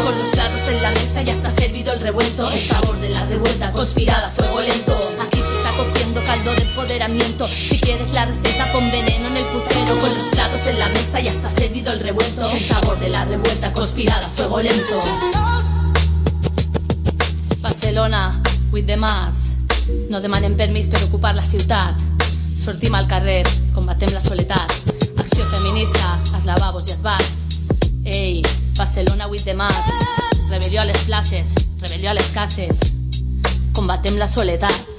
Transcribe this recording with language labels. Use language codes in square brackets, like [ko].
[es] Con los platos en la mesa ya está servido el revuelto. El sabor de la revuelta conspirada a fuego lento. Aquí se está cociendo caldo de empoderamiento. Si quieres la receta, pon veneno en el puchero. Con los platos en la mesa ya está servido el revuelto. El sabor de la revuelta conspirada a fuego lento. [en] Barcelona, with the Mars. [ca] No demanen permis per ocupar la ciutat. Sortim al carrer, combatem la soledat. Acció feminista, als lavabos i als bars. [en] Ei, Barcelona with the Mars. [ca] Rebel·lió a les places, rebel·lió a les cases. Combatem la soledat.